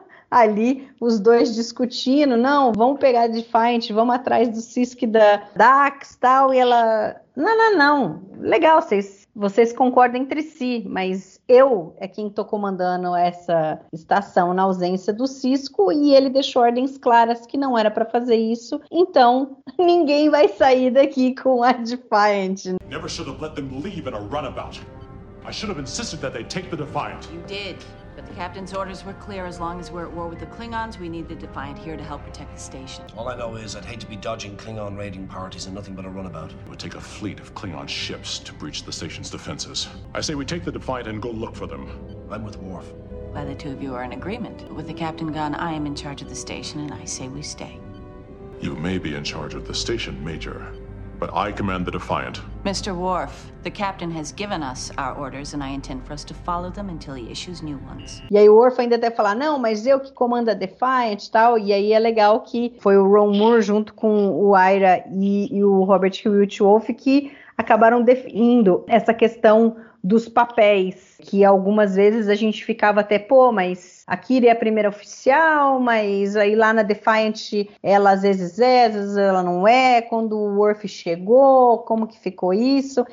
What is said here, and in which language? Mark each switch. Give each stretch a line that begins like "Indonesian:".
Portuguese: Ali, os dois discutindo, não, vamos pegar Defiant, vamos atrás do Sisk e da Dax e tal, e ela, não, legal, vocês concordam entre si, mas eu é quem estou comandando essa estação na ausência do Sisk, e ele deixou ordens claras que não era para fazer isso, então ninguém vai sair daqui com a Defiant.
English: Never should have let them leave in a runabout. I should have insisted that they take the Defiant. You did. But the captain's orders were clear. As long as we're at war with the Klingons, we need the Defiant here to help protect the station. All I know is I'd hate to be dodging Klingon raiding parties in nothing but a runabout. It would take a fleet of Klingon ships to breach the station's defenses. I say we take the Defiant and go look for them. I'm with Worf. Well, the two of you are in agreement. With the captain gone, I am in charge of the station, and I say we stay. You may be in charge of the station, Major, but I command the Defiant. Mr. Worf, the captain has given us our orders and I intend for us to follow them until he issues new ones.
Portuguese: E aí o Worf ainda até fala, não, mas eu que comando a Defiant e tal. E aí é legal que foi o Ron Moore junto com o Ira e o Robert Hewitt Wolf que acabaram definindo essa questão dos papéis, que algumas vezes a gente ficava até, pô, mas a Kira é a primeira oficial, mas aí lá na Defiant ela às vezes ela não é, quando o Worf chegou, como que ficou isso?